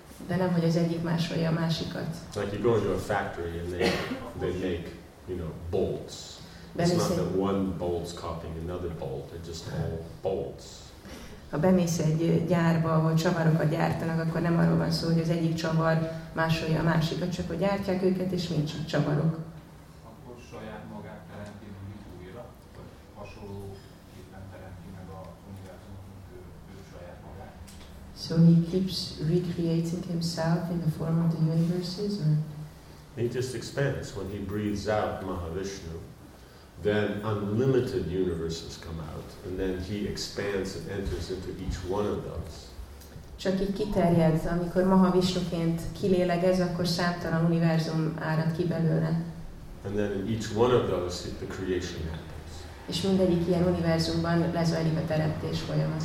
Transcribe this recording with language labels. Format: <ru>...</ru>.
<hu>De nem, hogy az egyik másolja a másikat.</hu> <en>Like you go into a factory and they make, you know, bolts.</en> <hu>Bemész,</hu> <en>it's not that one bolt's copying another bolt, it's just all bolts.</en> <hu>Ha bemész egy gyárba, ahol csavarokat gyártanak, akkor nem arról van szó, hogy az egyik csavar másolja a másikat, csak hogy gyártják őket, és mind csak csavarok. Akkor saját magát teremti meg újra, vagy hasonlóképpen teremti meg a univerzumot, ő saját magát.</hu> <en>So he keeps recreating himself in the form of the universes, or? He just expands. When he breathes out Mahavishnu, then unlimited universes come out, and then he expands and enters into each one of those.</en> <hu>Csak így kiterjed, amikor Mahavishnuként kilélegez, akkor számtalan univerzum árad ki belőle.</hu> <en>And then in each one of those, the creation happens.</en> <hu>És mindegyik ilyen univerzumban lezajlik a teremtés folyamat.</hu>